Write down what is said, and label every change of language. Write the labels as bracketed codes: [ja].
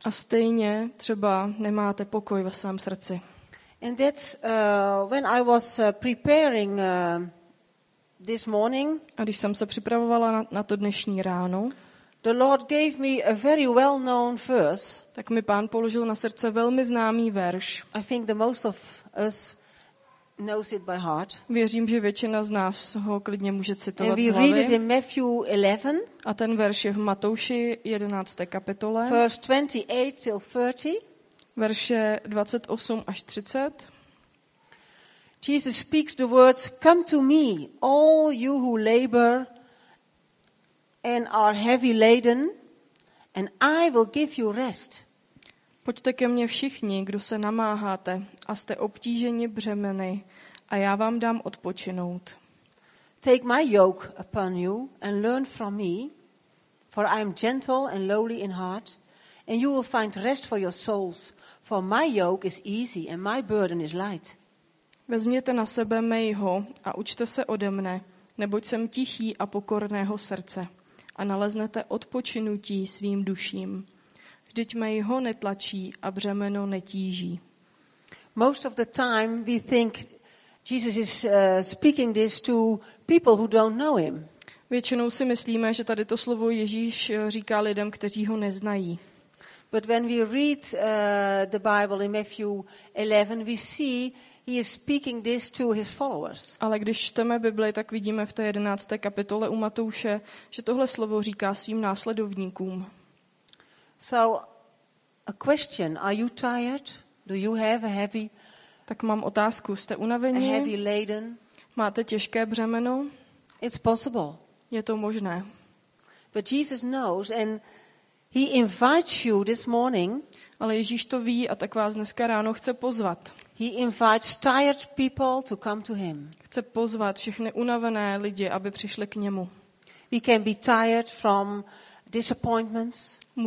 [cs] A stejně třeba nemáte pokoj ve svém srdci. [en] And that's when I was preparing this morning. [cs] A když jsem se připravovala na to dnešní ráno. [en] The Lord gave me a very well-known verse. [cs] Tak mi Pán položil na srdce velmi známý verš. [en] I think the most of us knows it by heart. [cs] Věřím, že většina z nás ho klidně může citovat z hlavy. [en] And we read it in Matthew 11. [cs] A ten verš je v Matouši 11. kapitole. [en] Verse 28 till 30. [cs] Verše 28 až 30. [en] Jesus speaks the words, "Come to me, all you who labor and are heavy laden, and I will give you rest." [cs] Pojďte ke mně všichni, kdo se namáháte a jste obtíženi břemeny, a já vám dám odpočinout. [en] Take my yoke upon you and learn from me, for I am gentle and lowly in heart, and you will find rest for your souls, for my yoke is easy and my burden is light. [cs] Vezměte na sebe mého a učte se ode mne, neboť jsem tichý a pokorného srdce, a naleznete odpočinutí svým duším. Vždyť mého netlačí a břemeno netíží. [en] Most of the time we think Jesus is speaking this to people who don't know him. [cs] Většinou si myslíme, že tady to slovo Ježíš říká lidem, kteří ho neznají. [en] But when we read the Bible in Matthew 11, we see he is speaking this to his followers. [cs] Ale když čteme Bibli, tak vidíme v té 11. kapitole u Matouše, že tohle slovo říká svým následovníkům. [en] So a question, are you tired? Do you have a heavy? [cs] Tak mám otázku, jste unavení? [en] A heavy laden? [cs] Máte těžké břemeno? [en] It's possible. [cs] Je to možné. [en] But Jesus knows and he invites you this morning. [cs] Ale Ježíš to ví a tak vás dneska ráno chce pozvat. [en] He invites tired people to come to him. [cs] Chce pozvat všechny unavené lidi, aby přišli k němu. [en] We can be tired from disappointments.